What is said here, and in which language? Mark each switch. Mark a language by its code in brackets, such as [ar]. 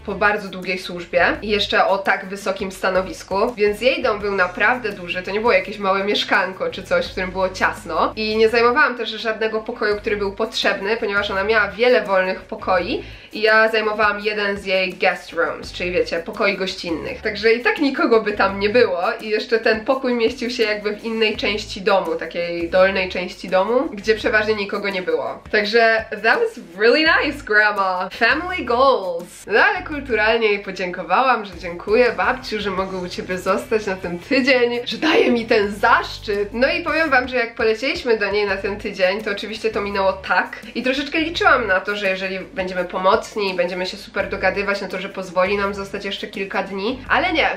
[pl] bardzo długiej służbie i jeszcze o tak wysokim stanowisku, więc jej dom był naprawdę duży, to nie było jakieś małe mieszkanko czy coś, w którym było ciasno i nie zajmowałam też żadnego pokoju, który był potrzebny, ponieważ ona miała wiele wolnych pokoi i ja zajmowałam jeden z jej guest rooms, czyli wiecie, pokoi gościnnych. Także i tak nikogo by tam nie było i jeszcze ten pokój mieścił się jakby w innej części domu, takiej dolnej części domu, gdzie przeważnie nikogo nie było. [en] Także that was really nice, grandma! Family goals! [pl] No ale kulturalnie jej podziękowałam, że dziękuję babciu, że mogę u ciebie zostać na ten tydzień, że daje mi ten zaszczyt! No i powiem wam, że jak polecieliśmy do niej na ten tydzień, to oczywiście to minęło tak i troszeczkę liczyłam na to, że jeżeli będziemy pomocni i będziemy się super dogadywać na to, że pozwoli nam zostać jeszcze kilka dni, ale nie.